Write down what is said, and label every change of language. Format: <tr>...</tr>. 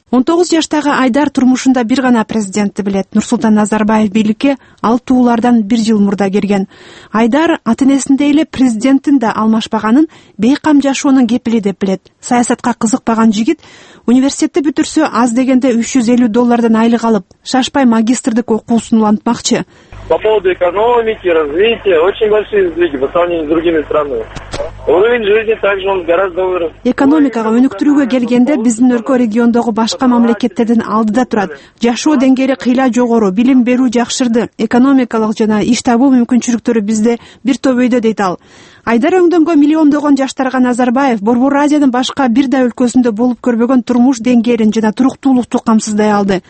<ky>19 жаштагы Айдар турмушунда бир гана президентти билет. Нурсултан Назарбаев бийликке ал туулардан бир жыл мурда келген. Айдар ата энесиндей эле президенттин да алмашпаганын бейкам жашоонун кепили деп билет. Саясатка кызыкпаган жигит университетти бүтүрсө аз дегенде $350 айлык алып, шашпай магистрдик окуусун улантмакчы.</ky> <ru>По поводу экономики, развития, очень большие сдвиги по сравнению с другими странами. Уровень жизни также он гораздо вырос.</ru> <ky>Экономикага өнүктүрүүгө келгенде биздин өлкө региондогу башка мамлекеттерден алдыда турат. Жашоо деңгээли кыйла жогору, билим берүү жакшырды. Экономикалык жана иш табуу мүмкүнчүлүктөрү бизде бир топ өйдө, дейт ал. Айдар өңдөнгөн миллиондогон жаштарга Назарбаев Борбор Азиянын башка бир да өлкөсүндө болуп көрбөгөн турмуш деңгээлин жана туруктуулукту камсыздай алды.</ky>